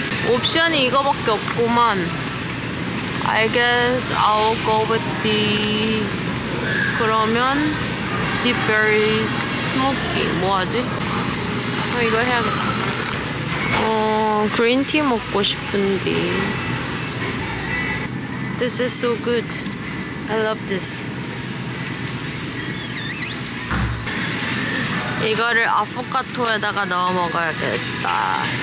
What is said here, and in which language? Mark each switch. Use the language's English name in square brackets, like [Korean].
[Korean] 옵션이 이거밖에 없구만. [English] I guess I'll go with the [Korean] 그러면 [English] deep berry smoky [Korean] 뭐하지? 어, 이거 해야겠다. 어 green tea 먹고 싶은데. [English] This is so good. I love this. [Korean] 이거를 아포카토에다가 넣어 먹어야겠다.